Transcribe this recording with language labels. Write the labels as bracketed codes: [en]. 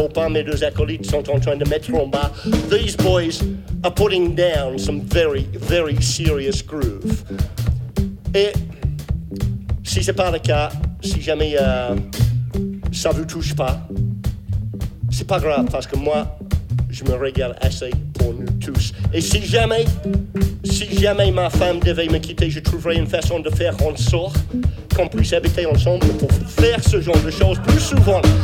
[fr] Mes deux acolytes sont en train de mettre en bas. [en] These boys are putting down some very, very serious groove. [fr] Et si c'est pas le cas, si jamais ça vous touche pas, c'est pas grave parce que moi, je me régale assez pour nous tous. Et si jamais ma femme devait me quitter, je trouverai une façon de faire en sorte qu'on puisse habiter ensemble pour faire ce genre de choses plus souvent.